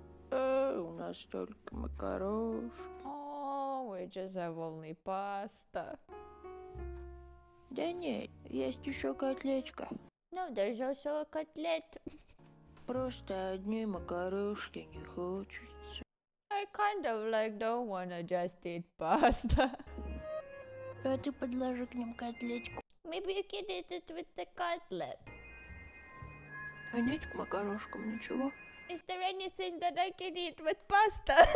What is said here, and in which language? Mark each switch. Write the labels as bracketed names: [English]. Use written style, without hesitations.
[Russian] У нас только макарошки. [English] Oh, we just have only pasta. [Russian] Да нет, есть еще котлетка. [English] No, there's also a котлет. [Russian] Просто одни макарошки не хочется. [English] I kind of like don't wanna just eat pasta. [Russian] А ты подложи к ним котлетку. [English] Maybe you can eat it with the cutlet. [Russian] А нет, к макарошкам ничего. [English] Is there anything that I can eat with pasta?